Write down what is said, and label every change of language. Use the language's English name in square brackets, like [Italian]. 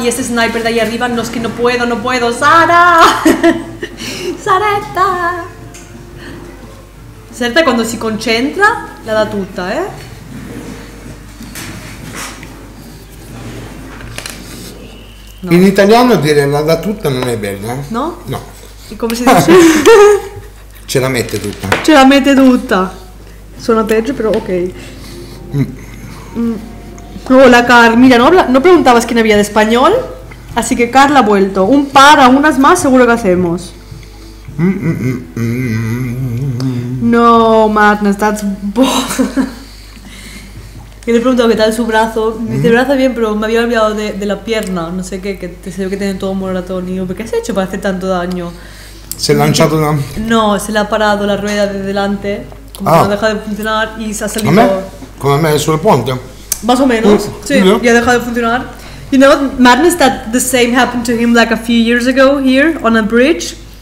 [Spanish] Y este sniper de ahí arriba, no es que no puedo. ¡Sara! ¡Saretta! Saretta cuando se concentra, [Italian] la da tutta, [Spanish] ¿eh? [Italian] No. [Spanish] En italiano, [Italian] dire la da tutta non è bella. No? No. [Spanish] ¿Y cómo se dice? [Italian] Ce la mette tutta. Ce la mette tutta. [Spanish] Suena [Italian] peggio, [Spanish] pero ok. Hola, [Italian] Carl. [Spanish] Mira, no preguntabas quién había de español. Así que Carl ha vuelto. Un par, unas más, seguro que hacemos. No, [English] Madness, that's bull. [Spanish] Yo le he preguntado qué tal su brazo. Me dice, el brazo bien, pero me había olvidado de la pierna. No sé qué, que te veo que tiene todo moratónico. ¿Qué has hecho para hacer tanto daño? Se ha lanzado una. No, se le ha parado la rueda de delante. Como que no deja de funcionar y se ha salido. ¿A mí? Como a mí, sobre el puente. Más o menos, sí, ya ha dejado de funcionar. [English] You know, Madness, that the same happened to him like a few years ago here on a bridge.